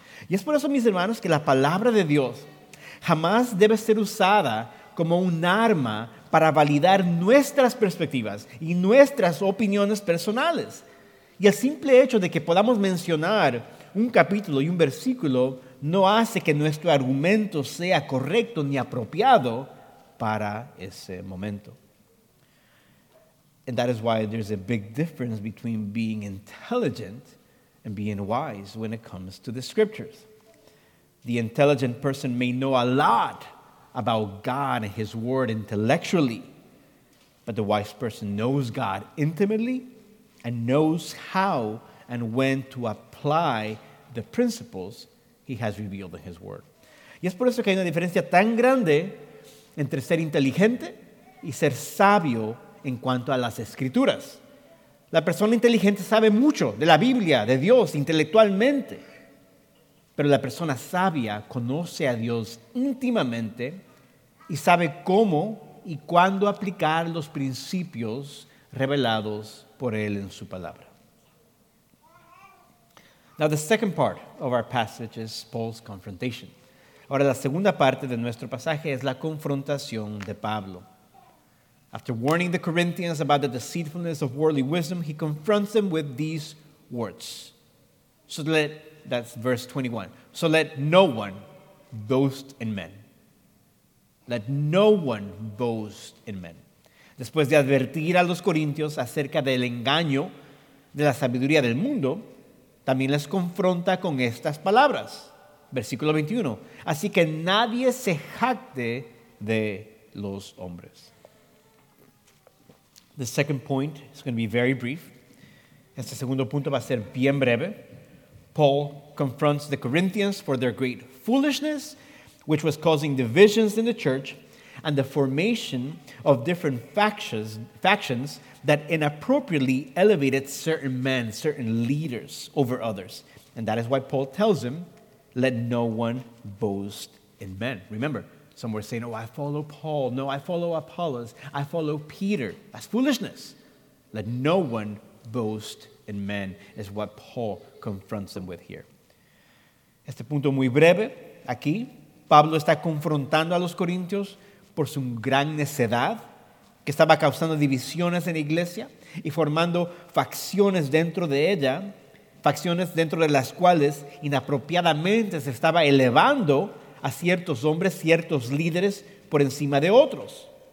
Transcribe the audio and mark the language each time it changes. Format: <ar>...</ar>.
<es>Y es por eso, mis hermanos, que la palabra de Dios jamás debe ser usada como un arma para validar nuestras perspectivas y nuestras opiniones personales. Y el simple hecho de que podamos mencionar un capítulo y un versículo no hace que nuestro argumento sea correcto ni apropiado para ese momento.</es> <en>And that is why there's a big difference between being intelligent and being wise when it comes to the scriptures. The intelligent person may know a lot about God and His Word intellectually, but the wise person knows God intimately and knows how and when to apply the principles He has revealed in His Word.</en> <es>Y es por eso que hay una diferencia tan grande entre ser inteligente y ser sabio en cuanto a las Escrituras. La persona inteligente sabe mucho de la Biblia, de Dios, intelectualmente. Pero la persona sabia conoce a Dios íntimamente y sabe cómo y cuándo aplicar los principios revelados por él en su palabra.</es> <en>Now, the second part of our passage is Paul's confrontation.</en> <es>Ahora, la segunda parte de nuestro pasaje es la confrontación de Pablo.</es> <en>After warning the Corinthians about the deceitfulness of worldly wisdom, he confronts them with these words. That's verse 21. So let no one boast in men. Let no one boast in men.</en> <es>Después de advertir a los corintios acerca del engaño de la sabiduría del mundo, también les confronta con estas palabras. Versículo 21. Así que nadie se jacte de los hombres.</es> <en>The second point is going to be very brief.</en> <es>Este segundo punto va a ser bien breve.</es> <en>Paul confronts the Corinthians for their great foolishness, which was causing divisions in the church and the formation of different factions that inappropriately elevated certain men, certain leaders over others. And that is why Paul tells him, let no one boast in men. Remember, some were saying, oh, I follow Paul. No, I follow Apollos. I follow Peter. That's foolishness. Let no one boast in men is what Paul confronts them with here.</en> <es>Este punto muy breve, aquí, Pablo está confrontando a los corintios por su gran necedad que estaba causando divisiones en la iglesia y formando facciones dentro de ella, facciones dentro de las cuales inapropiadamente se estaba elevando a ciertos hombres, ciertos líderes por encima de otros.</es>